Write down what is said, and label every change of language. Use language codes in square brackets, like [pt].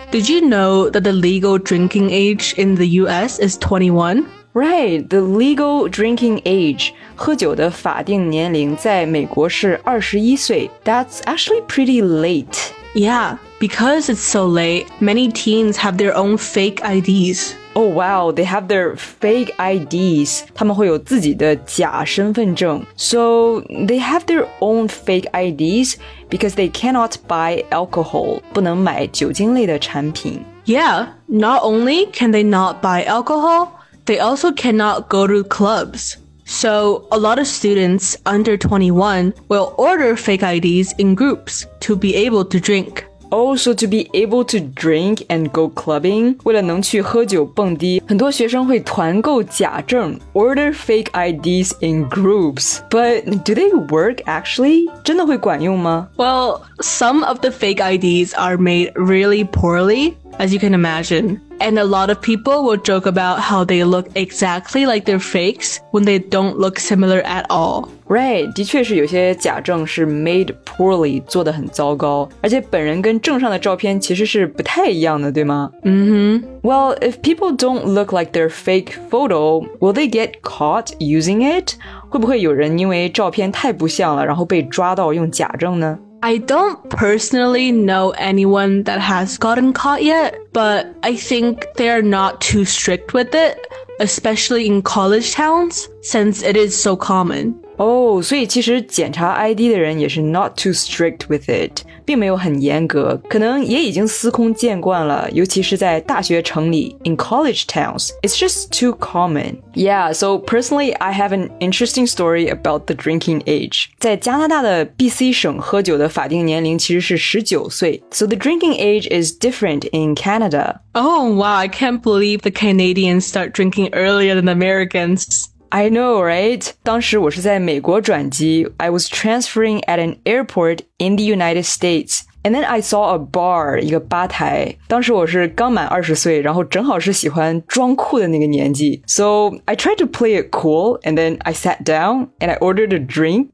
[en] Did you know that the legal drinking age in the US is 21? Right, the legal drinking age, [zh] 喝酒的法定年龄在美国是21岁。 [en] That's actually pretty late. Yeah, because it's so late, many teens have their own fake IDs. Oh wow, they have their fake IDs. [zh] 他们会有自己的假身份证。 [en] So, they have their own fake IDs because they cannot buy alcohol, [zh] 不能买酒精类的产品。 [en] Yeah, not only can they not buy alcohol,They also cannot go to clubs. So, a lot of students under 21 will order fake IDs in groups to be able to drink. Oh, so to be able to drink and go clubbing? [zh] 为了能去喝酒蹦迪，很多学生会团购假证 [en] order fake IDs in groups. But do they work actually? [zh] 真的会管用吗？ [en] Well, some of the fake IDs are made really poorly. as you can imagine. And a lot of people will joke about how they look exactly like they're fakes when they don't look similar at all. [zh] Right, 的确是有些假证是 [en] made poorly, [zh] 做得很糟糕。而且本人跟证上的照片其实是不太一样的，对吗？ Mm-hmm. [en] Well, if people don't look like their fake photo, will they get caught using it? [zh] 会不会有人因为照片太不像了，然后被抓到用假证呢？ [en] I don't personally know anyone that has gotten caught yet, but I think they're not too strict with it, especially in college towns, since it is so common. [zh] Oh, 所以其实检查 ID 的人也是 [en] not too strict with it, [zh] 并没有很严格，可能也已经司空见惯了，尤其是在大学城里 [en] in college towns, it's just too common. Yeah, so personally, I have an interesting story about the drinking age. [zh] 在加拿大的 BC 省喝酒的法定年龄其实是19岁。 [en] So the drinking age is different in Canada. Oh, wow, I can't believe the Canadians start drinking earlier than Americans. I know, right? [zh] 当时我是在美国转机 [en] I was transferring at an airport in the United States. And then I saw a bar, [zh] 一个吧台。当时我是刚满20岁然后正好是喜欢装酷的那个年纪。 [en] So I tried to play it cool, and then I sat down, and I ordered a drink.